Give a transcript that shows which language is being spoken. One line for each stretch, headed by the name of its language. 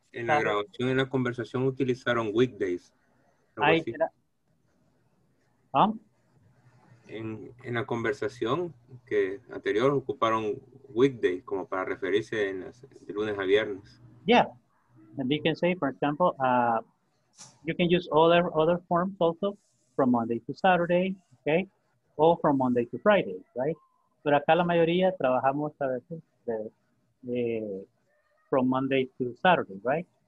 Spanish: En la grabación y la conversación utilizaron weekdays. En la conversación que anterior ocuparon weekdays como para referirse en las, de lunes a viernes.
English: Yeah. And you can say, for example, you can use other forms also from Monday to Saturday, okay? O from Monday to Friday, right?
Spanish: Pero acá la mayoría trabajamos a veces
English: from Monday to Saturday, right?